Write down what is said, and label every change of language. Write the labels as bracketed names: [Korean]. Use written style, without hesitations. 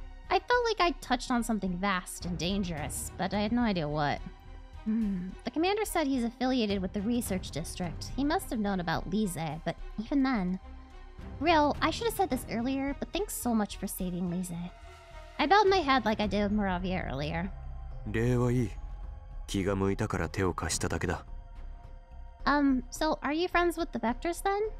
[English] I felt like I'd touched on something vast and dangerous, but I had no idea what. The commander said he's affiliated with the research district. He must have known about Lise, but even then... Ryo, I should have said this earlier, but thanks so much for saving Lise. I bowed my head like I did with Moravia earlier. [Japanese] 礼はいい。気が向いたから手を貸しただけだ。 [English] So are you friends with the vectors then?